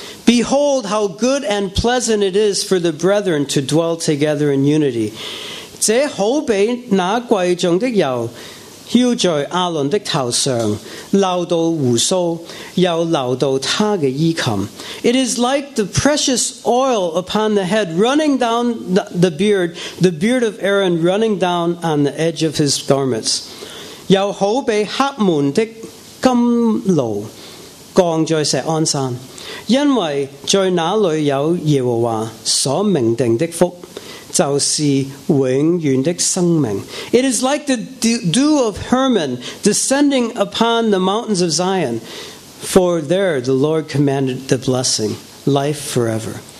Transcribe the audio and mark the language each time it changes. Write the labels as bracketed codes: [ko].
[en] Behold how good and pleasant it is for the brethren to dwell together in unity。 [zh] 这好比那贵重的油浇在亚伦的头上，流到胡须，又流到他的衣襟。 [en] It is like the precious oil upon the head running down the beard, the beard of Aaron running down on the edge of his garments。 [zh] 又好比黑门的金炉降在锡安山，因为在那里有耶和华所命定的福，就是永远的生命。 [en] It is like the dew of Hermon descending upon the mountains of Zion, for there the Lord commanded the blessing, life forever.